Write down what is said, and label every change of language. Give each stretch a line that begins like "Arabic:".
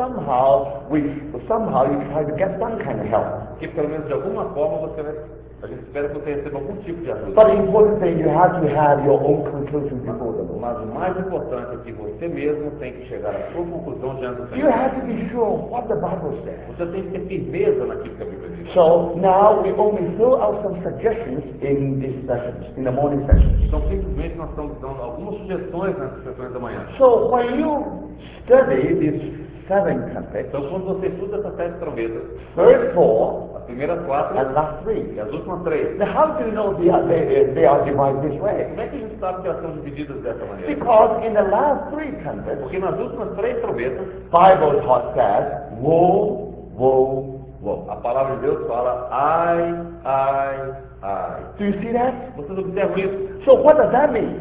English: Somehow you try to get some kind of help.
Portuguese: Que pelo menos de alguma forma você vai, a gente espera que você receba algum tipo de ajuda.
English: But the important thing, you have to have your own conclusion before the Lord.
Portuguese: Mas o mais importante é que você mesmo tem que chegar à sua conclusão diante do Senhor.
English: You have to be sure what the Bible says.
Portuguese: Você tem que ter firmeza naquilo que a Bíblia diz.
English: So now we only throw out some suggestions in this session, in the morning session.
Portuguese: Então simplesmente nós estamos dando algumas sugestões nessas sessões da manhã.
English: So when you study these 7 trumpets,
Portuguese: então quando você estuda essas 7 trombetas,
English: first 4,
Portuguese: as primeiras 4,
English: and last 3,
Portuguese: e as últimas 3.
English: Now how do you know they are divided this way?
Portuguese: Como é que a gente sabe que elas são divididas dessa maneira?
English: Because in the last 3 trumpets,
Portuguese: porque nas últimas 3 trombetas,
English: Bible taught that woe, woe, woe.
Portuguese: A palavra de Deus fala ai, ai.
English: Do you see that?
Portuguese: Vocês observam isso?
English: So what does that mean?